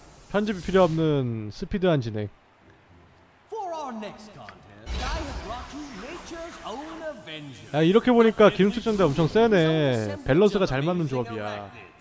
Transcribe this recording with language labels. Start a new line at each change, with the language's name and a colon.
Korean: 편집이 필요 없는 스피드한 진행.
English: For our next contest, I have brought you nature's own avenger.
Korean: 야 이렇게 보니까 기름칙 전대 엄청 세네. 밸런스가 잘 맞는 조합이야.